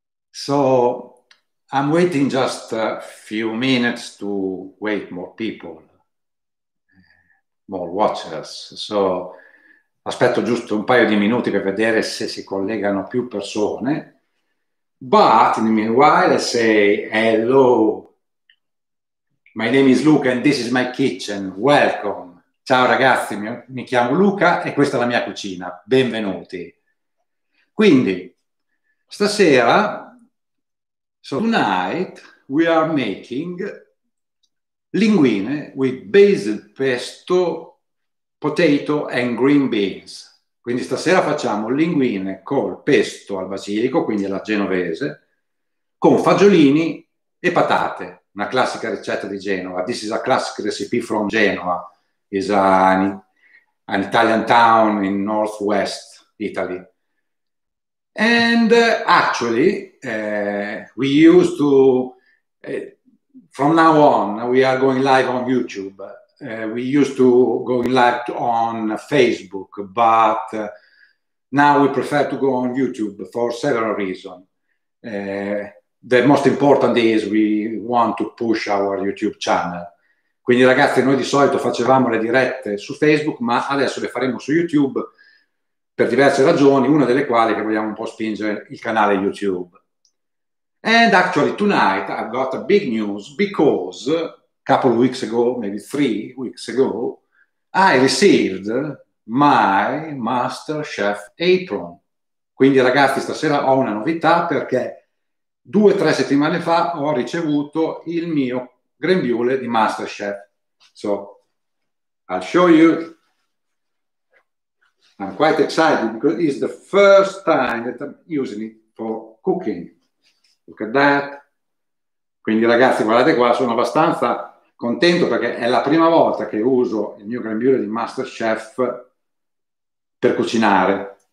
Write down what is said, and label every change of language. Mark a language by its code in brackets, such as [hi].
[en] So I'm waiting just a few minutes to wait more people, more watchers. [it] So aspetto giusto un paio di minuti per vedere se si collegano più persone. [en] But in the meanwhile, say hello. My name is Luca and this is my kitchen. Welcome. [it] Ciao ragazzi, mi chiamo Luca e questa è la mia cucina. Benvenuti. Quindi, stasera, [en] so tonight we are making linguine with basil, pesto, potato and green beans. [it] Quindi stasera facciamo linguine col pesto al basilico, quindi alla genovese, con fagiolini e patate. Una classica ricetta di Genova. [en] This is a classic recipe from Genova. It's an Italian town in northwest Italy. And actually, we used to, from now on, we are going live on YouTube. We used to go live on Facebook, but now we prefer to go on YouTube for several reasons. The most important is we want to push our YouTube channel. [it] Quindi ragazzi, noi di solito facevamo le dirette su Facebook, ma adesso le faremo su YouTube per diverse ragioni, una delle quali è che vogliamo un po' spingere il canale YouTube. [en] And actually tonight I've got a big news because a couple of weeks ago, maybe 3 weeks ago, I received my Master Chef apron. [it] Quindi ragazzi, stasera ho una novità perché 2 o 3 settimane fa ho ricevuto il mio grembiule di MasterChef. [en] So, I'll show you. I'm quite excited because it's the first time that I'm using it for cooking. Look at that. [it] Quindi ragazzi, guardate qua, sono abbastanza contento perché è la prima volta che uso il mio grembiule di MasterChef per cucinare.